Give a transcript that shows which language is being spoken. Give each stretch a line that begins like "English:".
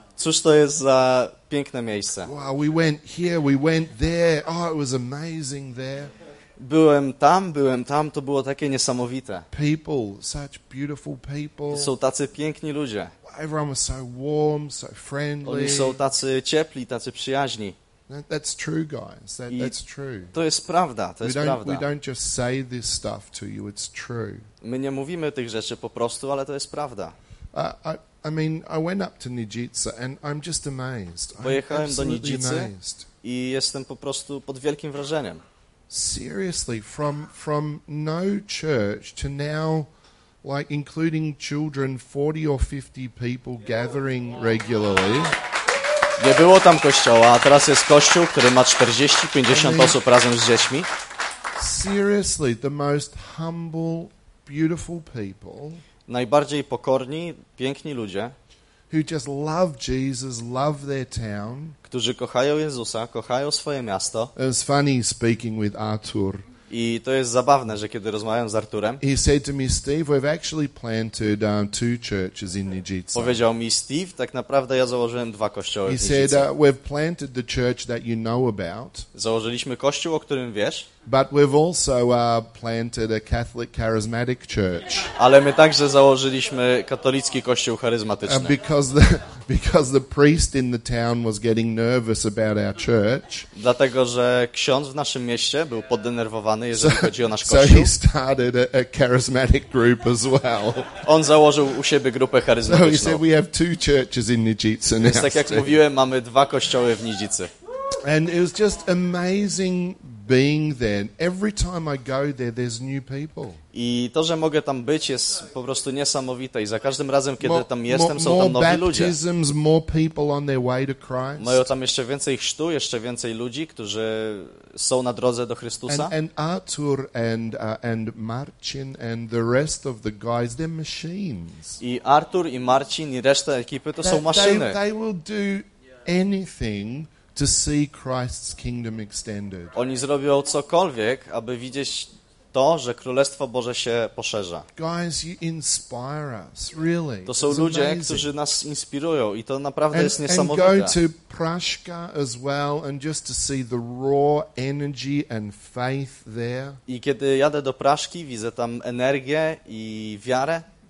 Polish: Cóż to jest za piękne miejsce?
English: Wow, we went here, we went there. Oh, it was amazing there.
Polish: Byłem tam, to było takie niesamowite.
English: People, such beautiful people.
Polish: Są tacy piękni ludzie.
English: Everyone was so warm, so friendly.
Polish: Oni są tacy ciepli, tacy przyjaźni.
English: That's true, guys. That's true.
Polish: To jest prawda. To jest prawda.
English: We don't just say this stuff to you. It's true.
Polish: My nie mówimy tych rzeczy po prostu, ale to jest prawda.
English: I went up to Nidzica and I'm just amazed.
Polish: Pojechałem do Nidzicy i jestem po prostu pod wielkim wrażeniem.
English: Seriously, from no church to now, like including children, 40 or 50 people gathering regularly.
Polish: Nie było tam kościoła, a teraz jest kościół, który ma 40-50 osób razem z dziećmi.
English: Seriously, the most humble, beautiful people.
Polish: Najbardziej pokorni, piękni ludzie.
English: Who just love Jesus, love their town.
Polish: Którzy kochają Jezusa, kochają swoje miasto.
English: It's funny speaking with Artur.
Polish: I to jest zabawne, że kiedy rozmawiam z Arturem.
English: He said to me, Steve, we've actually planted two churches in Nidzica.
Polish: Powiedział mi Steve, tak naprawdę ja założyłem dwa kościoły w Nidzicy.
English: He said we've planted the church that you know about.
Polish: Założyliśmy kościół, o którym wiesz.
English: But we've also planted a Catholic charismatic church.
Polish: Ale my także założyliśmy katolicki kościół charyzmatyczny.
English: Because the priest in the town was getting nervous about our church.
Polish: Dlatego że ksiądz w naszym mieście był poddenerwowany, jeżeli chodzi o nasz kościół.
English: So he started a charismatic group as well.
Polish: On założył u siebie grupę charyzmatyczną.
English: So he said we have two churches in Nidzica now.
Polish: Więc tak jak mówiłem, mamy dwa kościoły w Nidzicy.
English: And it was just amazing being there. Every time I go there, there's new people.
Polish: I to, że mogę tam być, jest po prostu niesamowite. I za każdym razem, kiedy tam jestem, są tam nowi ludzie.
English: More people on their way to Christ.
Polish: Mają tam jeszcze więcej chrztu, jeszcze więcej ludzi, którzy są na drodze do Chrystusa.
English: And Artur and Marcin and the rest of the guys, they're machines.
Polish: I Artur i Marcin i reszta ekipy to są maszyny.
English: They will do anything to see Christ's kingdom extended.
Polish: Oni zrobią cokolwiek, aby widzieć to, że Królestwo Boże się poszerza.
English: Guys, you inspire us, really.
Polish: To są ludzie, którzy nas inspirują i to naprawdę jest niesamowite.
English: And go to Praszka as well and just to see the raw energy and faith there.
Polish: I kiedy jadę do Praszki, widzę tam energię i wiarę.